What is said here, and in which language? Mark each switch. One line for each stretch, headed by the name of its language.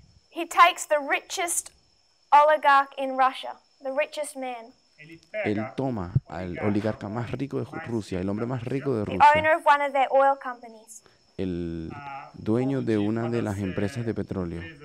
English: He takes the richest oligarch in Russia, the richest man.
Spanish: Él toma al oligarca más rico de Rusia, el hombre más rico de Rusia.
English: The owner of one of their oil companies.
Spanish: El dueño de una de las empresas de petróleo.